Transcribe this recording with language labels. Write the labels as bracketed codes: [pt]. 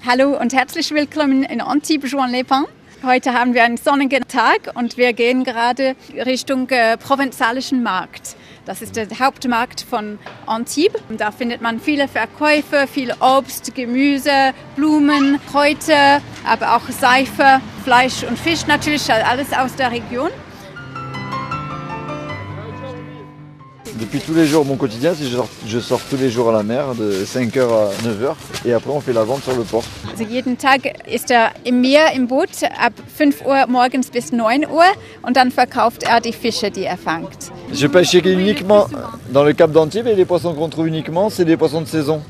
[de] Hallo und herzlich willkommen in Antibes Jean-le-Pin. Heute haben wir einen sonnigen Tag und wir gehen gerade Richtung provenzalischen Markt. Das ist der Hauptmarkt von Antibes. Da findet man viele Verkäufe, viel Obst, Gemüse, Blumen, Kräuter, aber auch Seife, Fleisch und Fisch natürlich, alles aus der Region. [fr] Depuis tous les jours, mon quotidien, c'est je sors tous les jours à la mer, de 5h à 9h, et après on fait la vente sur le port. [de] Also jeden Tag ist er im Meer, im Boot, ab 5 Uhr morgens bis 9 Uhr, und dann verkauft er die Fische, die er fängt. [fr] Je pêche uniquement dans le Cap d'Antibes, et les poissons qu'on trouve uniquement, c'est des poissons de saison.